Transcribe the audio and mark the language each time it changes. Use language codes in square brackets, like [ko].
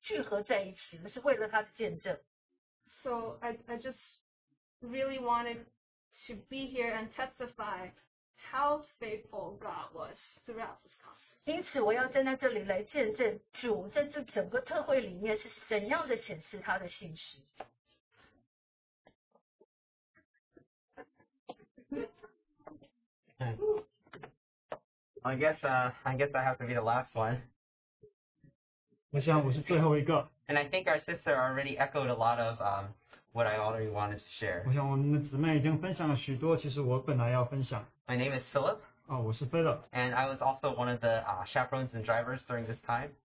[zh] 或者从南部把一对夫妇从把怎么样北部的人带回来，总之呢，好像主在这个地方呢，就这样子把大家都聚合在一起，是为了他的见证。 [en] So I just really wanted to be here and testify how faithful God was throughout this conference. [zh] 因此，我要站在这里来见证主在这整个特会里面是怎样的显示他的信实。 [en] Okay. I guess I have to be the last one. [zh] 我想我是最后一个。 [en] And I think our sister already echoed a lot of what I already wanted to share. [zh] 我想我们的姊妹已经分享了许多，其实我本来要分享。 [en] My name is Philip. [zh] Oh, 我是Philip. [en] And I was also one of the chaperones and drivers during this time.